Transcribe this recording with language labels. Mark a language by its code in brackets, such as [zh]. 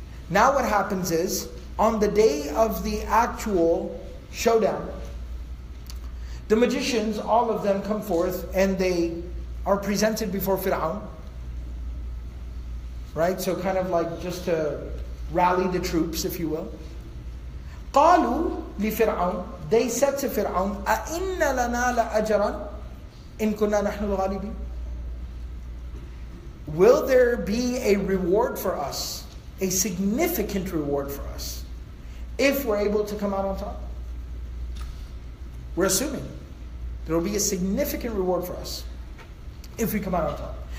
[en] Now what happens is, on the day of the actual showdown, the magicians, all of them come forth and they are presented before Fir'aun. Right, so kind of like just to rally the troops, if you will. [ar] قالوا لفرعون, [en] they said to Fir'aun, [ar] أَإِنَّ لَنَا لَأَجَرًا إِن كُنَّا نَحْنُ الْغَالِبِينَ. [en] Will there be a reward for us, a significant reward for us, if we're able to come out on top? We're assuming there will be a significant reward for us if we come out on top.